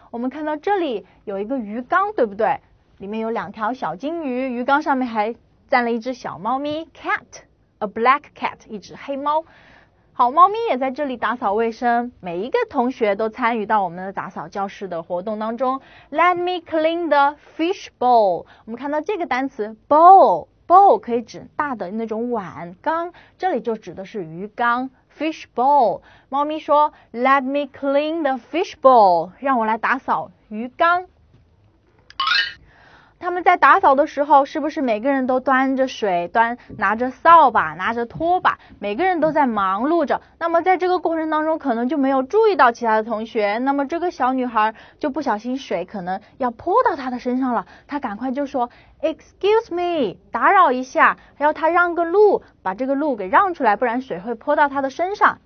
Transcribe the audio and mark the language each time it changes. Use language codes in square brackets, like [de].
[zh] 我们看到这里有一个鱼缸，对不对？里面有两条小金鱼，鱼缸上面还站了一只小猫咪 cat， [en] a black cat， [zh] 一只黑猫。好，猫咪也在这里打扫卫生，每一个同学都参与到我们的打扫教室的活动当中。 [en] Let me clean the fish bowl. [zh] 我们看到这个单词 bowl 可以指大的那种碗缸，这里就指的是鱼缸 [en] fish bowl。 [zh] 猫咪说 [en] Let me clean the fish bowl， [zh] 让我来打扫鱼缸。他们在打扫的时候是不是每个人都端着水，拿着扫把，拿着拖把，每个人都在忙碌着。那么在这个过程当中可能就没有注意到其他的同学，那么这个小女孩就不小心水可能要泼到她的身上了，她赶快就说 [en] excuse me， [zh] 打扰一下，要她让个路，把这个路给让出来，不然水会泼到她的身上。